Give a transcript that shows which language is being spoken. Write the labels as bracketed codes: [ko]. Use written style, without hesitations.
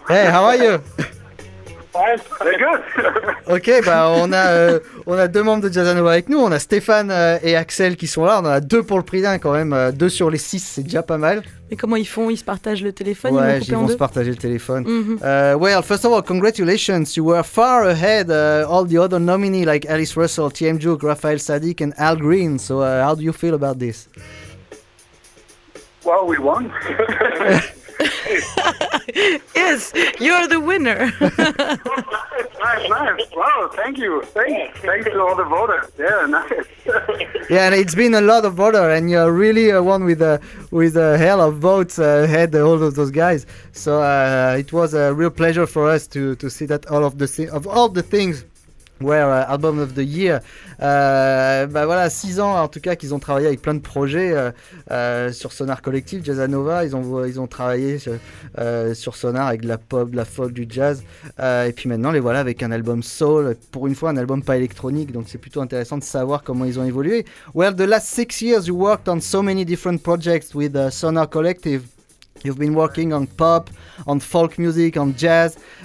[en] Hey, how are you? Good. [fr] Ok, bah on a deux membres de Jazzanova avec nous. On a Stéphane et Axel qui sont là. On a deux pour le prix d'un quand même. Deux sur les six, c'est déjà pas mal. Mais comment ils font? Ils se partagent le téléphone? Ouais, ils vont se partager le téléphone. [en] Well, first of all, congratulations. You were far ahead all the other nominees like Alice Russell, TM Juke, Raphaël Sadiq and Al Green. So how do you feel about this? Well, we won. Yes, you're the winner. nice. Wow, thank you to all the voters. Yeah, nice. Yeah, and it's been a lot of voters, and you're really one with a hell of votes ahead of all of those guys. So it was a real pleasure for us to see that all of the things. Ouais, album of the year. [fr] Bah voilà, 6 ans en tout cas qu'ils ont travaillé avec plein de projets sur Sonar Collective, Jazzanova. Ils ont travaillé sur Sonar avec de la pop, de la folk, du jazz. Et puis maintenant, les voilà avec un album soul, pour une fois un album pas électronique. Donc c'est plutôt intéressant de savoir comment ils ont évolué. [en] Well, the last 6 years, you worked on so many different projects with Sonar Collective. You've been working on pop, on folk music, on jazz.